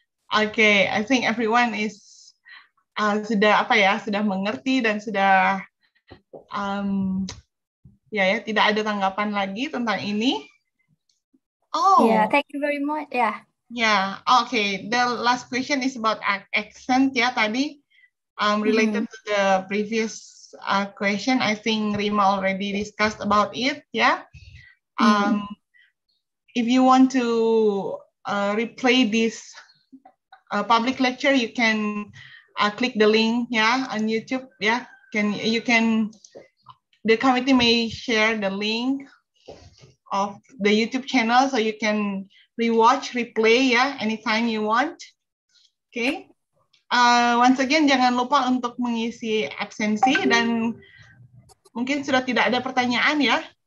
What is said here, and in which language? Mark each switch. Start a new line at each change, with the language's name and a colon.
English: Okay, I think everyone is
Indonesian: sudah apa ya, sudah mengerti dan sudah ya tidak ada tanggapan lagi tentang ini.
English: Oh. Yeah, thank you very much. Yeah. Yeah, okay. The last question is about accent ya tadi related to the previous question. I think Rima already discussed about it, yeah. If you want to replay this public lecture, you can click the link, yeah, on YouTube, yeah. The committee may share the link of the YouTube channel, so you can rewatch, replay, yeah, anytime you want. Okay. Once again,
Indonesian: jangan lupa untuk mengisi absensi dan mungkin sudah tidak ada pertanyaan ya.